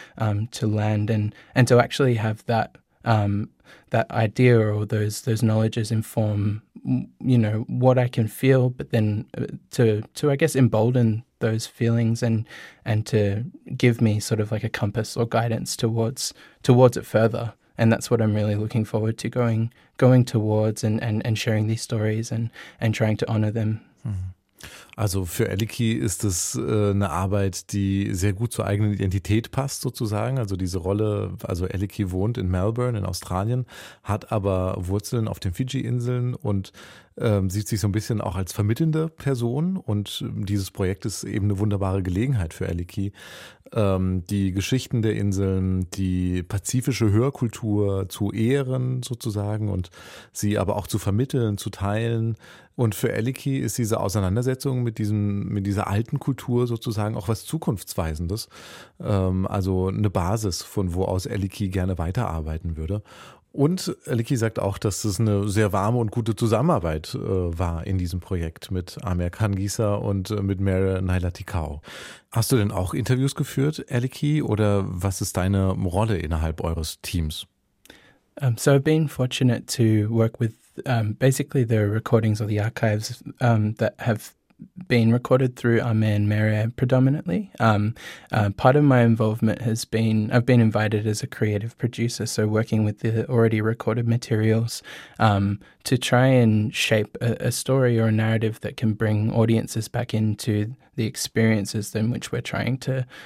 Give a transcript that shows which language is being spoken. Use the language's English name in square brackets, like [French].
[English] to land, and to actually have that that idea or those knowledges inform, you know, what I can feel, but then to I guess embolden those feelings and to give me sort of like a compass or guidance towards it further. And that's what I'm really looking forward to going towards and sharing these stories and trying to honor them. [German] Also für Aleki ist es eine Arbeit, die sehr gut zur eigenen Identität passt sozusagen. Also diese Rolle, also Aleki wohnt in Melbourne in Australien, hat aber Wurzeln auf den Fidschi-Inseln und sieht sich so ein bisschen auch als vermittelnde Person. Und dieses Projekt ist eben eine wunderbare Gelegenheit für Aleki, die Geschichten der Inseln, die pazifische Hörkultur zu ehren sozusagen und sie aber auch zu vermitteln, zu teilen. Und für Aleki ist diese Auseinandersetzung mit dieser alten Kultur sozusagen auch was Zukunftsweisendes. Also eine Basis, von wo aus Aleki gerne weiterarbeiten würde. Und Aleki sagt auch, dass es eine sehr warme und gute Zusammenarbeit war in diesem Projekt mit Amir Kangisa und mit Mere Nailatikau. Hast du denn auch Interviews geführt, Aleki, oder was ist deine Rolle innerhalb eures Teams? [English] So I've been fortunate to work with basically the recordings or the archives that have been recorded through Amir and Mere predominantly. Part of my involvement has been, I've been invited as a creative producer, so working with the already recorded materials to try and shape a story or a narrative that can bring audiences back into the experiences in which we're trying to,